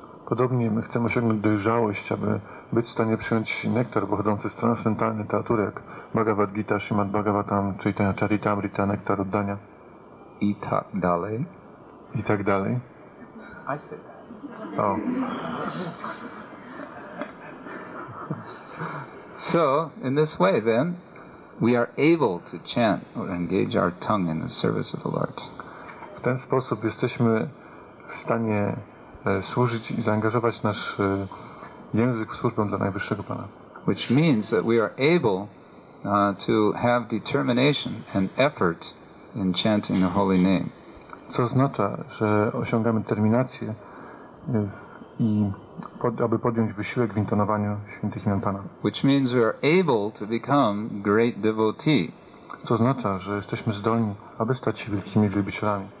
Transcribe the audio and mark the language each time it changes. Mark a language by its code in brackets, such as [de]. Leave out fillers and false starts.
[pl] Podobnie my chcemy osiągnąć dojrzałość, aby być w stanie przyjąć nektar pochodzący z transcendentalnej teatury, jak Bhagavad Gita, Srimad Bhagavatam, czyli ten Charitamrita, nektar oddania. I tak dalej. I tak dalej. [en] I see that. Oh. So, in this way then, we are able to chant or engage our tongue in the service of the Lord. [pl] W ten sposób jesteśmy w stanie służyć i zaangażować nasz język w służbę dla Najwyższego Pana. [en] Which means that we are able to have determination and effort in chanting the holy name. [pl] Co oznacza, że osiągamy terminację i aby podjąć wysiłek w intonowaniu świętych imion Pana. [en] Which means we are able to become great devotee. [pl] To oznacza, że jesteśmy zdolni, aby stać się wielkimi wielbicielami.